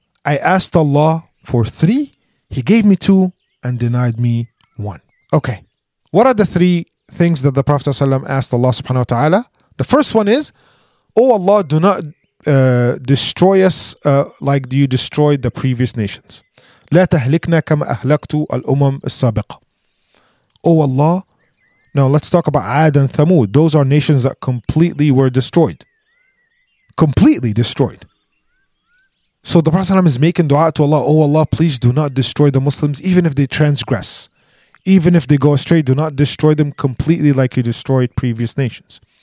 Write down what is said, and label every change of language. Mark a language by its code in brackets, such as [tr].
[en] I asked Allah for three, He gave me two and denied me one. Okay, what are the three things that the Prophet ﷺ asked Allah subhanahu wa ta'ala? The first one is, oh Allah, do not destroy us like you destroyed the previous nations. [ar] لا تهلكنا كما أهلكت الأمم السابقة. [en] Oh Allah, now let's talk about Ad and Thamud. Those are nations that completely were destroyed. Completely destroyed. So the Prophet ﷺ is making dua to Allah, oh Allah, please do not destroy the Muslims even if they transgress. Even if they go astray, do not destroy them completely like you destroyed previous nations.